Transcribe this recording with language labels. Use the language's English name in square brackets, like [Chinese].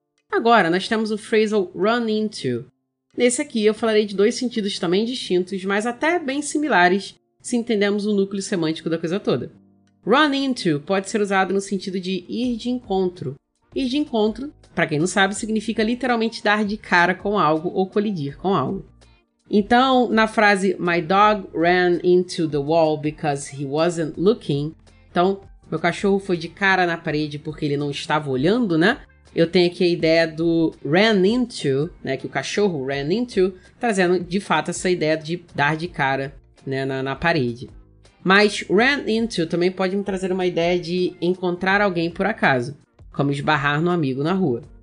[Portuguese] Agora, nós temos o phrasal run into. Nesse aqui, eu falarei de dois sentidos também distintos, mas até bem similares, se entendemos o núcleo semântico da coisa toda. Run into pode ser usado no sentido de ir de encontro. Ir de encontro, para quem não sabe, significa literalmente dar de cara com algo ou colidir com algo. Então, na frase [English] My dog ran into the wall because he wasn't looking. [Portuguese] Então, meu cachorro foi de cara na parede porque ele não estava olhando, né? Eu tenho aqui a ideia do ran into, né? Que o cachorro ran into, trazendo de fato essa ideia de dar de cara, né, na parede. Mas ran into também pode me trazer uma ideia de encontrar alguém por acaso, como esbarrar no amigo na rua.